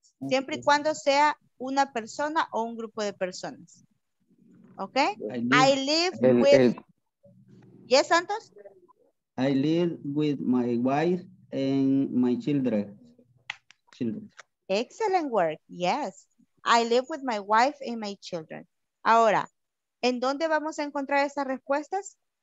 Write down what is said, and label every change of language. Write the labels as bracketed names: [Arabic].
[Spanish] Siempre y cuando sea una persona o un grupo de personas. [English] Okay. I live with Yes, Santos? I live with my wife and my children. Excellent work. Yes. I live with my wife and my children. [Spanish] Ahora, ¿en dónde vamos a encontrar esas respuestas?